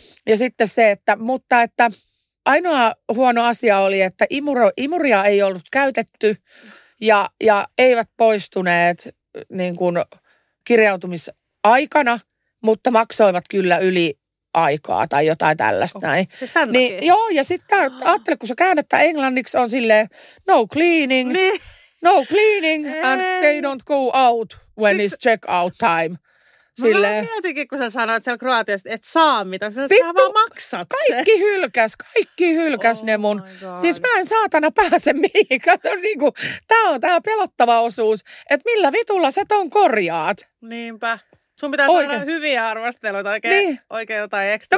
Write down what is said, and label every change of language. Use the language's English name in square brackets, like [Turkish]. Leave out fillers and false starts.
[Finnish] Ja sitten se, että ainoa huono asia oli, että imuria ei ollut käytetty. Ja eivät poistuneet niin kuin kirjautumisaikana, mutta maksoivat kyllä yli aikaa tai jotain tällaista näin. Siis tämän niin, joo, ja sitten ajattele, kun sä käännettä englanniksi, on silleen [English] no cleaning. [Finnish] Niin. [English] no cleaning and they don't go out when it's check out time. [Finnish] Sille. Mä vaan mietinkin, kun sä sanoit siellä Kroatiasta, et saa mitä, sä vittu, vaan maksat sen. Kaikki hylkäs oh ne mun. Siis mä en saatana pääse mihin. Kato, niin kuin, tää on pelottava osuus, että millä vitulla sä ton korjaat. Niinpä. Sun pitää saada hyviä arvosteluita, oikein jotain ekstra.